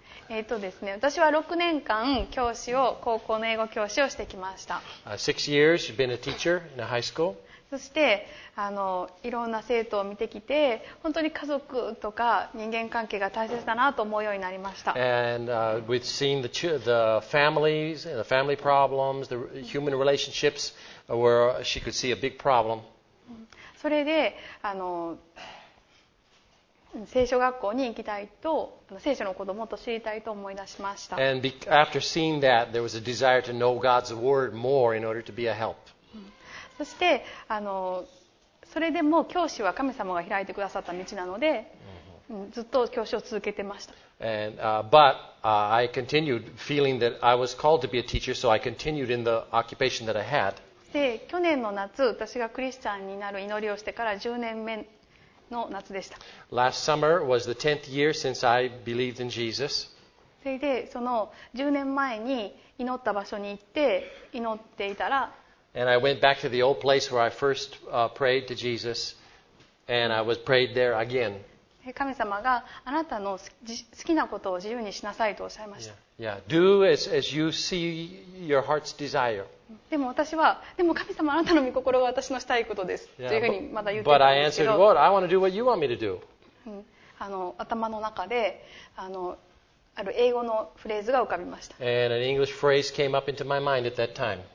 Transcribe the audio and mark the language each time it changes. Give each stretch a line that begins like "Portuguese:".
Japanese: ですね、私は6年間教師を高校の英語教師をしてきました。
English: 6 years you've been a teacher in a high school?
Japanese: そしていろんな生徒を見てきて本当に家族とか人間関係が大切だなと思うようになりました。
English: And, we've seen the families, the family problems, the human relationships where she could see a big problem.
Japanese: それで聖書学校に行きたいと聖書の子供と知りたいと思い出しました。
English: And after seeing that, there was a desire to know God's word more in order to be a help.
Japanese: そしてそれでも教師は神様が開いてくださった道なので、ずっと教師を続けてました。
English: And, but, I continued feeling that I was called to be a teacher, so I continued in the occupation that I had.
Japanese: で、去年の夏、私がクリスチャンになる祈りをしてから10年目の夏でした。
English: Last summer was the 10th year since I believed in Jesus.
Japanese: それで、その10年前に祈った場所に行って祈っていたら、
English: And I went back to the old place where I first prayed to Jesus, and I was prayed there again.
Japanese: 神様があなたの好きなことを自由にしなさいとおっしゃいました。
English: Yeah, do as you see your heart's desire.
Japanese: でも神様あなたの御心は私のしたいことですというふうにまだ言っているんです
English: けど。But I answered, Lord, I want to do what you want me to do.
Japanese: 頭の中で、ある英語のフレーズが浮かびました。
English: And an English phrase came up into my mind at that time.